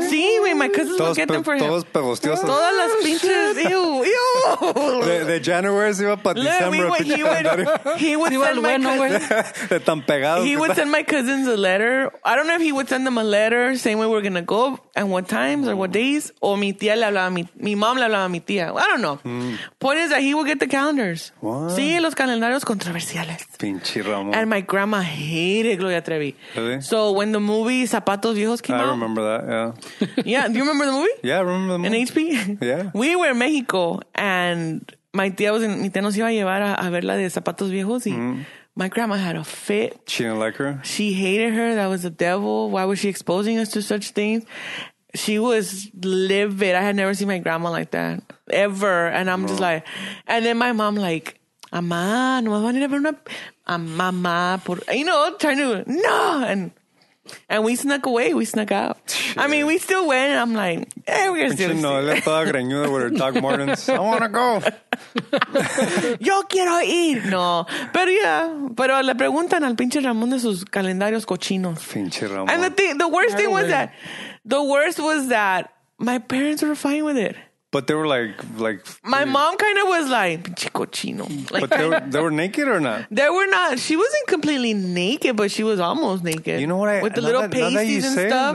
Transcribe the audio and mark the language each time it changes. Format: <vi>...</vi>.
<en>Sí, güey. My cousins will get them for him.</en> <es>Todos pegostiosos. Todas las pinches. Ew. De January se iba para December.</es> <en>He would send my cousins a letter. I don't know if he would send them a letter saying where we're going to go and what times or what days.</en> <es>O mi tía le hablaba a mi mom le hablaba a mi tía.</es> <en>I don't know. Mm. Point is that he would get the calendars. What?</en> <es>Sí, los calendarios controversiales. Pinche Ramón.</es> <en>And my grandma hated Gloria Trevi. Really? So when the movie Zapatos Viejos came out. I remember that. Yeah. Yeah. Do you remember the movie? Yeah, I remember the movie. In HP? Yeah. We were in Mexico and my tía was in, mi tía nos iba a llevar a ver la de Zapatos Viejos y my grandma had a fit. She didn't like her. She hated her. That was the devil. Why was she exposing us to such things? She was livid. I had never seen my grandma like that ever. And I'm just like, and then my mom, like, Amá, no me van a ir a ver una. Mamá, por. You know, trying to, no. And we snuck away. We snuck out. Shit. I mean, we still went. I'm like, we're going to still see. Le toda greñuda with her Doc Martens. I want to go.</en> <es>Yo quiero ir. No. Pero yeah. Pero le preguntan al pinche Ramón de sus calendarios cochinos. Pinche Ramón.</es> <en>And the worst thing was that my parents were fine with it. But they were like my mom kind of was like pinche cochino. But they were naked or not? They were not. She wasn't completely naked, but she was almost naked. You know what? With the little pasties and stuff.</en>